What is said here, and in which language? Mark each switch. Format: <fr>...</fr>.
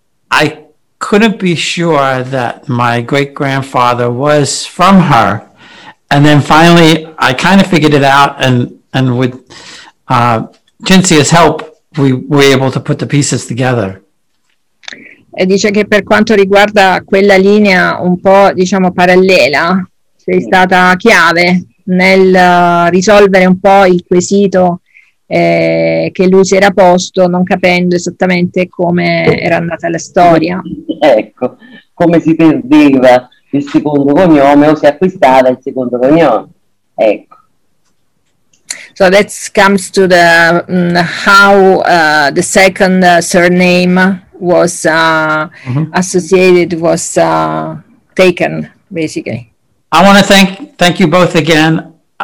<en>I couldn't be sure that my great-grandfather was from her. And then finally, I kind of figured it out, and with Cinzia's help, we were able to put the pieces together.</en> <it>E dice che per quanto riguarda quella linea un po', diciamo, parallela, sei stata chiave nel risolvere un po' il quesito che lui si era posto, non capendo esattamente come era andata la storia. Ecco, come si perdeva il secondo cognome o si acquistava il secondo cognome. Ecco.</it> <en>So that comes to the how the second surname was associated, was taken, basically. I want to thank you both again.</en>